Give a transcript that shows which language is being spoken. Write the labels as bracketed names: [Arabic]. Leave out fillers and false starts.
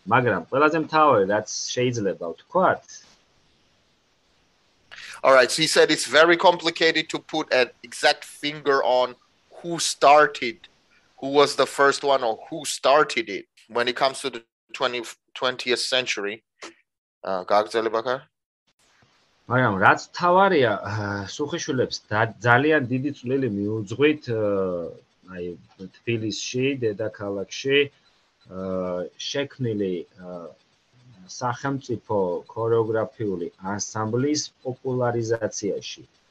[Georgian] მაგრამ ყველაზე მთავარი რაც შეიძლება ვთქვათ. [English] All right, so he said it's very complicated to put an exact finger on who started, who was the first one or who started it when it comes to the 20th century. [Georgian] გააგრძელებ ახლა? მაგრამ რაც თავარია, სუხიშვილებს ძალიან დიდი წვლილი მიუძღვით აი თბილისში, დედაქალაქში შექმნილი სახელმწიფო ქორეოგრაფიული ანსამბლის პოპულარიზაციაში.